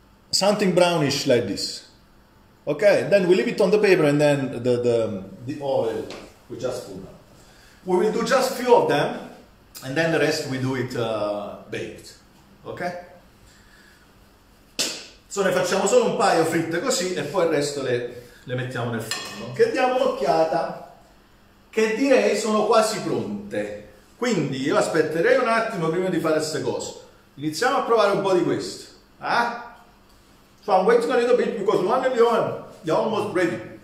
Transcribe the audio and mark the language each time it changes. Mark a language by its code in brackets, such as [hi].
[en] Something brownish like this. Okay, then we leave it on the paper and then the oil we just put on. We will do just a few of them and then the rest we do it baked. Okay? [it] So ne facciamo solo un paio fritte così e poi il resto le mettiamo nel forno. Che diamo un'occhiata, che direi sono quasi pronte. Quindi io aspetterei un attimo prima di fare queste cose. Iniziamo a provare un po' di questo. Eh? [en] So I'm waiting a little bit because one and the other, you're almost ready.